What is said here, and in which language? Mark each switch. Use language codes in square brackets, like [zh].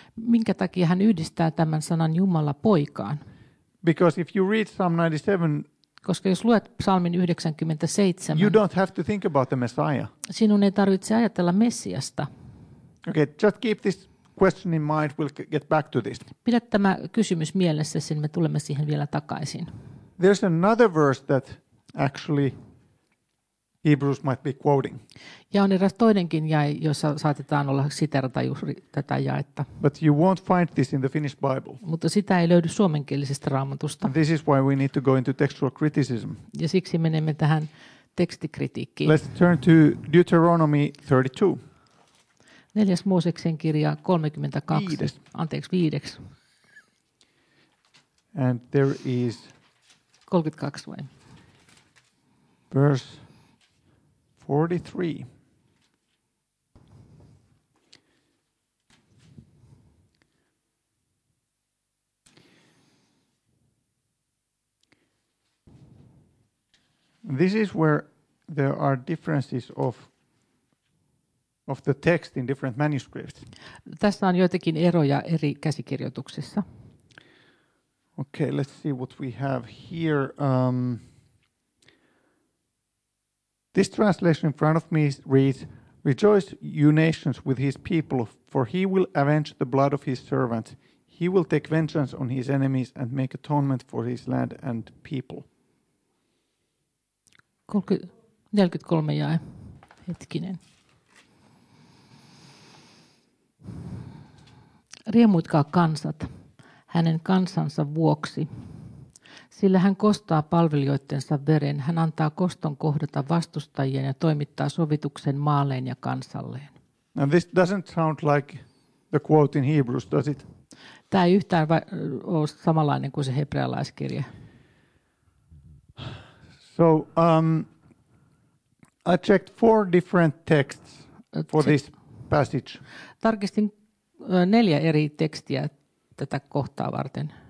[fi] Minkä takia hän yhdistää tämän sanan Jumala poikaan? [en] Because if you read Psalm 97, [fi] koska jos luet psalmin 97, [en] you don't have to think about the Messiah. [fi] Sinun ei tarvitse ajatella Messiasta. [en] Okay, just keep this question in mind, we'll get back to this. [fi] Pidä tämä kysymys mielessä, sen me tulemme siihen vielä takaisin. [en] There's another verse that actually Hebrews might be quoting. [fi] Ja on eräs toidenkin jae, jossa saatetaan olla siterata juuri tätä jaetta. [en] But you won't find this in the Finnish Bible. [fi] Mutta sitä ei löydy suomenkielisestä raamatusta. [en] And this is why we need to go into textual criticism. [fi] Ja siksi menemme tähän tekstikritiikki. [en] Let's turn to Deuteronomy 32. [fi] Neljäs Mooseksen kirja 32. Viides. Anteeksi, viideksi. [en] And there is [fi] 32 vai? [en] Verse 43. This is where there are differences of the text in different manuscripts. [fi] Tässä on joitakin eroja eri käsikirjoituksissa. [en] Okay, let's see what we have here. This translation in front of me reads, "Rejoice, you nations, with his people, for he will avenge the blood of his servants. He will take vengeance on his enemies and make atonement for his land and people." [fi] 43 jae. Hetkinen. Riemuitkaa kansat hänen kansansa vuoksi. Sillä hän kostaa palvelijoittensa veren, hän antaa koston kohdata vastustajien ja toimittaa sovituksen maalleen ja kansalleen. [en] Now this doesn't sound like the quote in Hebrews, does it? [fi] Tämä ei yhtään ole samanlainen kuin se hebrealaiskirja. [en] So I checked four different texts for this passage. [fi] Tarkistin neljä eri tekstiä tätä kohtaa varten.